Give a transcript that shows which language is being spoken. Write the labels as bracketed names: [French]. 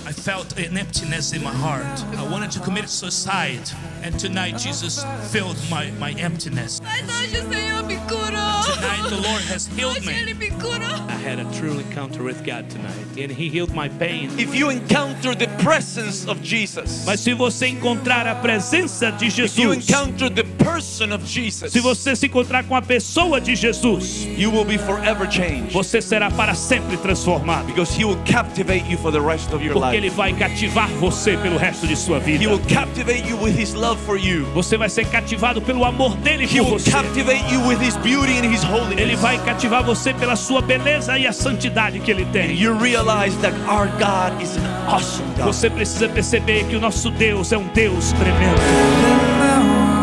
[English] I felt an emptiness in my heart. I wanted to commit suicide. And tonight, Jesus filled my emptiness. Tonight, the Lord has healed me. I had a true encounter with God tonight. And He healed my pain. If you encounter the presence of Jesus. [Portuguese] Mas se você encontrar a presença de Jesus. [English] If you encounter the person of Jesus. [Portuguese] Se você se encontrar com a pessoa de Jesus. [English] You will be forever changed. [Portuguese] Você será para sempre transformado. [English] Because He will captivate you for the rest of your life. [Portuguese] Porque Ele vai cativar você pelo resto de sua vida. [English] He will captivate you with His love for you. [Portuguese] Você vai ser cativado pelo amor dele por você. [English] He will captivate you with His beauty and His holiness. [Portuguese] Ele vai cativar você pela sua beleza e a santidade que Ele tem. [English] You realize that our God is an awesome God. [Portuguese] Você precisa perceber que o nosso Deus é Deus tremendo.